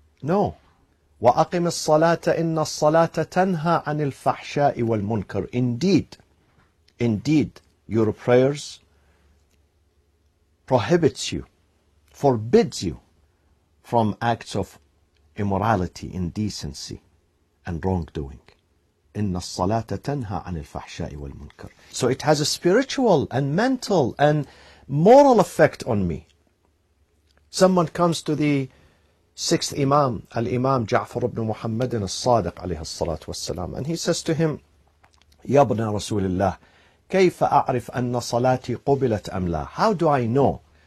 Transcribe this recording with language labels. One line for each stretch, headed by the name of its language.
English: No.
Arabic: وَأَقِمِ الصَّلَاةَ إِنَّ الصَّلَاةَ تَنْهَى عَنِ الْفَحْشَاءِ وَالْمُنْكَرِ.
English: Indeed, indeed, your prayers prohibits you, forbids you from acts of immorality, indecency, and wrongdoing.
Arabic: إن الصلاة تنهى عن الفحشاء والمنكر.
English: So it has a spiritual and mental and moral effect on me. Someone comes to the sixth Imam, Al-Imam Ja'far ibn Muhammad al-Sadiq alayhi salatu wassalam, and he says to him, Ya Ibn Rasulullah,
Arabic: كيف أعرف أن صلاتي قبلت أم لا?
English: How do I know?